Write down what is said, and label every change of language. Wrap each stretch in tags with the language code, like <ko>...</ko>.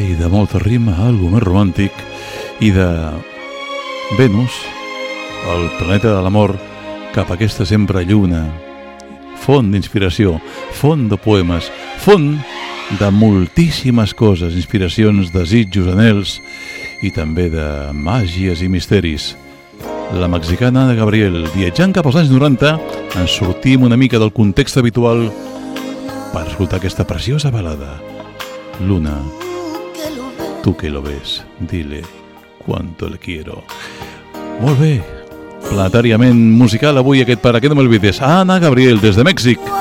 <ca>molta rima, algo més romàntic i de Venus, el planeta de l'amor, cap a aquesta sempre lluna, font d'inspiració, font de poemes, font de moltíssimes coses, inspiracions, desitjos, anhels i també de màgies i misteris. La mexicana Ana Gabriel, viatjant cap als anys 90, en sortim una mica del context habitual per escoltar aquesta preciosa balada, Luna.</ca> <es>Tú que lo ves, dile cuánto le quiero.</es> <ca>Molt bé, planetàriament musical avui aquest Para que no me olvides. Ana Gabriel, des de Mèxic.</ca>